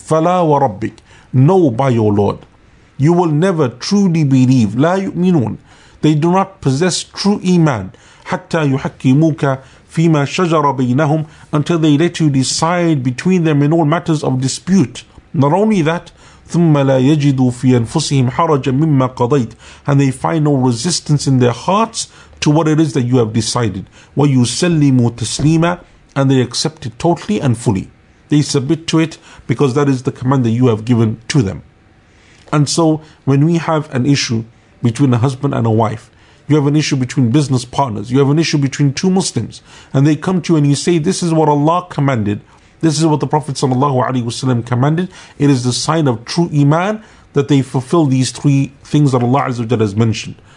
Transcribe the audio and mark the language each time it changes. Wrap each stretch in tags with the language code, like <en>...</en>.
<ar>فَلَا وَرَبِّكَ.</ar> <en>Know by your Lord. You will never truly believe.</en> <ar>لَا يُؤْمِنُونَ.</ar> <en>They do not possess true iman.</en> <ar>حَتَّى يُحَكِّمُوكَ فِيمَا شَجَرَ بَيْنَهُمْ.</ar> <en>Until they let you decide between them in all matters of dispute. Not only that,</en> <ar>ثُمَّ لَا يَجِدُوا فِي أَنفُسِهِمْ حَرَجًا مِمَّا قَضَيْتَ.</ar> <en>And they find no resistance in their hearts to what it is that you have decided.</en> <ar>وَيُسَلِّمُوا تَسْلِيمًا.</ar> <en>And they accept it totally and fully. They submit to it because that is the command that you have given to them. And so when we have an issue between a husband and a wife, you have an issue between business partners, you have an issue between two Muslims, and they come to you and you say, this is what Allah commanded, this is what the Prophet sallallahu alaihi wasallam commanded, it is the sign of true iman that they fulfill these three things that Allah azza wa jalla has mentioned.</en>